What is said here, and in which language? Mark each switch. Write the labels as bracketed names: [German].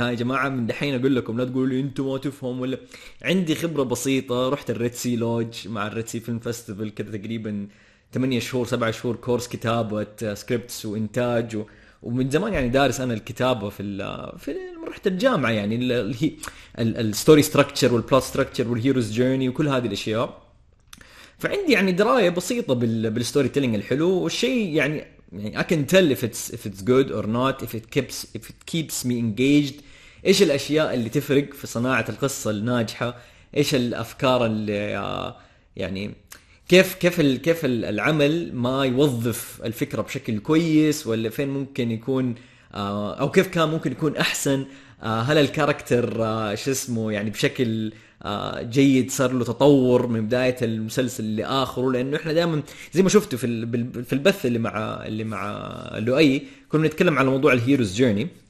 [Arabic] هاي يا جماعه من دحين اقول لكم، لا تقولوا لي انتم ما تفهموا، ولا عندي خبره بسيطه، رحت الريد سي لودج مع الريد سي فيلم فيستيفال كده تقريبا 8 شهور 7 شهور كورس كتابه سكريبتس وانتاج، ومن زمان يعني دارس انا الكتابه في رحت الجامعه، يعني الستوري ستراكشر والبلوت ستراكشر والهيروز جيرني وكل هذه الاشياء. فعندي يعني دراية بسيطة بالستوري تيلينج الحلو، والشيء يعني [English] I can tell if it's good or not, if it keeps me engaged. [Arabic] ايش الاشياء اللي تفرق في صناعة القصة الناجحة؟ ايش الافكار اللي يعني كيف العمل ما يوظف الفكرة بشكل كويس، ولا فين ممكن يكون او كيف كان ممكن يكون احسن؟ هل الكاركتر شو اسمه يعني بشكل جيد صار له تطور من بداية المسلسل لآخره؟ لأنه إحنا دائما زي ما شفتوا في البث اللي مع لؤي، كنا نتكلم على موضوع الهيروز جيرني،